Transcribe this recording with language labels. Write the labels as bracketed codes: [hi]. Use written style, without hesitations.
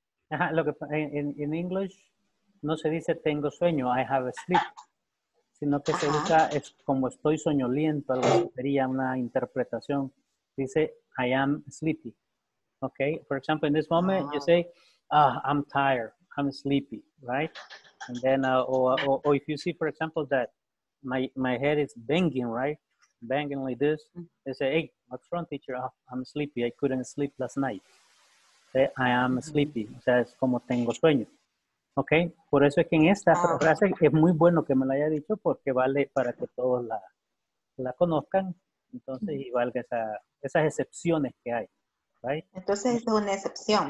[es] Ajá, lo que, [en] in English, [es] no se dice tengo sueño, [en] I have sleep, [es] sino que se usa, es como estoy soñoliento, algo que sería una interpretación. [en] Dice, I am sleepy. Okay, for example, in this moment, you say, I'm tired, I'm sleepy, right? And then, or if you see, for example, that my head is banging, right? Banging like this, you say, hey, what's wrong, teacher? Oh, I'm sleepy, I couldn't sleep last night. Say, I am sleepy, [es] o sea, es como tengo sueño. Okay, por eso es que en esta frase es muy bueno que me la haya dicho, porque vale para que todos la conozcan, entonces igual que esas excepciones que hay. [en] Right. [es] Entonces es una excepción.